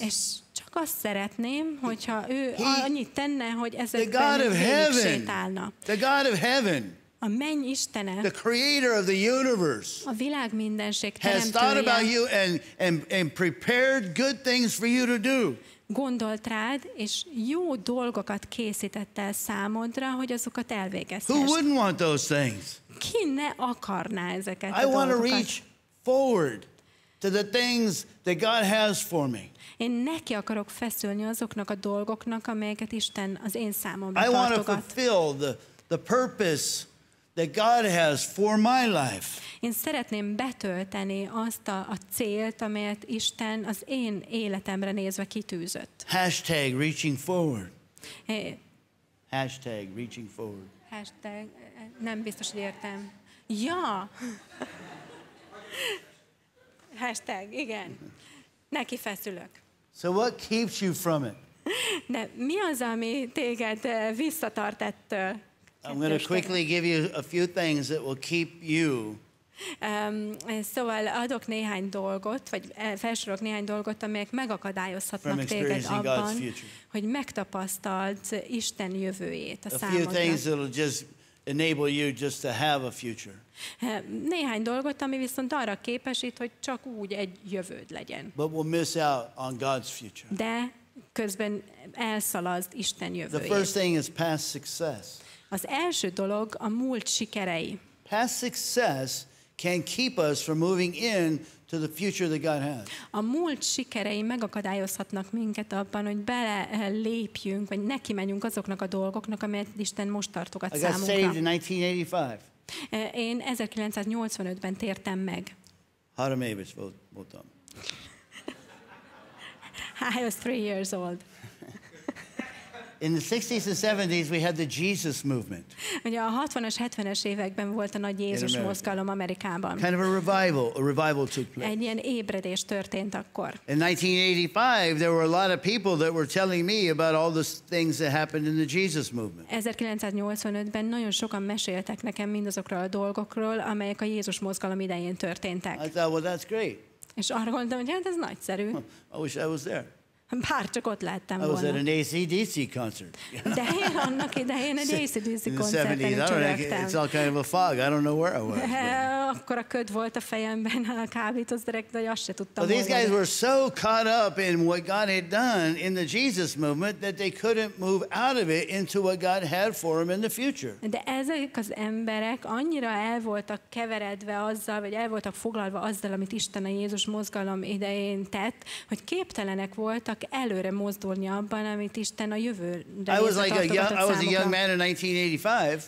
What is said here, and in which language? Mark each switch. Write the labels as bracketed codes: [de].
[hu] És csak azt szeretném, hogyha ő annyit tenne, hogy ezekben végig sétálna. [en] The God of heaven. [hu] A menny Istene, [en] the creator of the universe, [hu] a világ mindenség teremtője, [en] has thought about you and prepared good things for you to do. [hu] Gondolt rád, és jó dolgokat készített el számodra, hogy azokat elvégezhess. [en] Who wouldn't want those things? [hu] Ki ne akarná ezeket a dolgokat? [en] I want to reach forward to the things that God has for me. [hu] Én neki akarok feszülni azoknak a dolgoknak, amelyeket Isten az én számomra tartogat. [en] I want to fulfill the purpose that God has for my life. [hu] Én szeretném betölteni azt a célt, amelyet Isten az én életemre nézve kitűzött. [en] Hashtag reaching forward. Hashtag reaching forward. [hu] Hashtag, nem biztos, hogy értem. Ja! Hashtag, igen. Neki feszülök. [en] So what keeps you from it? [hu] De mi az, ami téged visszatart ettől? [en] I'm going to quickly give you a few things that will keep you. [hu] Szóval adok néhány dolgot, vagy felsorolok néhány dolgot, amelyek megakadályozhatnak téged abban, hogy megtapasztald Isten jövőjét a számodra. [en] A few things that will just enable you just to have a future. [hu] Néhány dolgot, ami viszont arra képesít, hogy csak úgy egy jövőd legyen. [en] But we'll miss out on God's future. [hu] De közben elszalazd Isten jövőjét. [en] The first thing is past success. [hu] Az első dolog a múlt sikerei. [en] Past success can keep us from moving in to the future that God has. [hu] A múlt sikerei megakadályozhatnak minket abban, hogy belelépjünk, vagy neki menjünk azoknak a dolgoknak, amelyet Isten most tartogat számunkra. [en] I got saved in 1985. [hu] Én 1985-ben tértem meg. Három éves voltam. [en] I was 3 years old. In the 60s and 70s, we had the Jesus movement. [hu] Ugye a 60-as, 70-es években volt a nagy Jézus mozgalom Amerikában. [en] Kind of a revival took place. [hu] Egy ilyen ébredés történt akkor. [en] In 1985, there were a lot of people that were telling me about all the things that happened in the Jesus movement. [hu] 1985-ben nagyon sokan meséltek nekem mindazokról a dolgokról, amelyek a Jézus mozgalom idején történtek. [en] I thought, well, that's great. [hu] És arra gondoltam, hogy hát ez nagyszerű. [en] I wish I was there. [hu] Bár csak ott lehettem volna. [en] I was [hu] volna. [en] At an AC/DC concert. [hu] De én annak idején egy AC/DC koncerten csörögtem. [en] It's all kind of a fog. I don't know where I was. [hu] Akkor a köd volt a fejemben, a kábítóz direkt, de azt se tudtam. [en] But these guys were so caught up in what God had done in the Jesus movement that they couldn't move out of it into what God had for them in the future. [hu] De ezek az emberek annyira el voltak keveredve azzal, vagy el voltak foglalva azzal, amit Isten a Jézus mozgalom idején tett, hogy képtelenek volt előre mozdulni abban, amit Isten a jövőre tartogatott számukra. [en] I was a young man in 1985.